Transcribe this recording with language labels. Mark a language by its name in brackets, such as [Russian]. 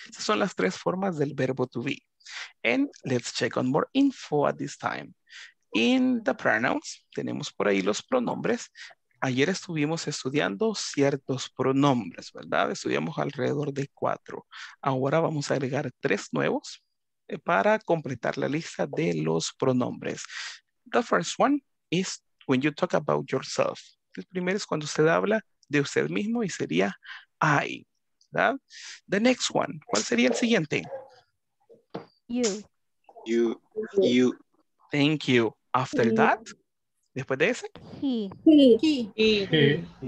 [Spanish] Esas son las tres formas del verbo to be. [English] And let's check on more info at this time. In the pronouns, [Spanish] tenemos por ahí los pronombres. Ayer estuvimos estudiando ciertos pronombres, ¿verdad? Estudiamos alrededor de 4. Ahora vamos a agregar 3 nuevos para completar la lista de los pronombres. [English] The first one is when you talk about yourself. [Spanish] El primero es cuando usted habla de usted mismo y sería I, ¿verdad? [English] The next one, [Spanish] ¿cuál sería el siguiente? [English] You. You. You. Thank you. After you. That. [Spanish] Después de ese. [English] He.